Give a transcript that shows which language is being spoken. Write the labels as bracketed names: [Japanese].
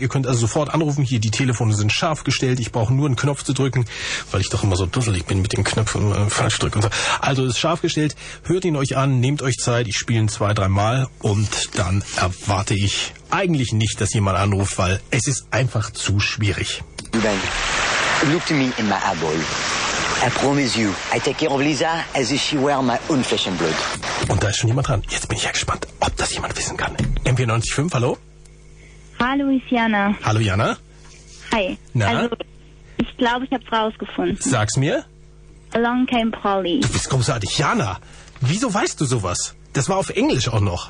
[German] Ihr könnt also sofort anrufen. Hier, die Telefone sind scharf gestellt. Ich brauche nur einen Knopf zu drücken, weil ich doch immer so dusselig bin mit den Knöpfen falsch drücken. Also ist scharf gestellt. Hört ihn euch an. Nehmt euch Zeit. Ich spiele ihn 2-3 Mal. Und dann erwarte ich eigentlich nicht, dass jemand anruft, weil es ist einfach zu schwierig. [English] Ben, look to me in my eyeball. I promise you, I take care of Lisa as if she were my own flesh and blood. [German] Und da ist schon jemand dran. Jetzt bin ich ja gespannt, ob das jemand wissen kann. MP95, hallo? Hallo, ist Jana. Hallo, Jana. Hi. Na? Also, ich glaube, ich hab's rausgefunden. Sag's mir. [English] Along came Polly. [German] Du bist großartig. Jana, wieso weißt du sowas? Das war auf Englisch auch noch.